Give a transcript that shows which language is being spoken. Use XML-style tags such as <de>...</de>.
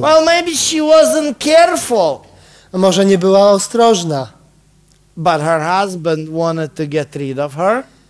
<en>Well, maybe she wasn't careful.</en> <pl>A może nie była ostrożna.</pl> <en>But her husband wanted to get rid of her.</en>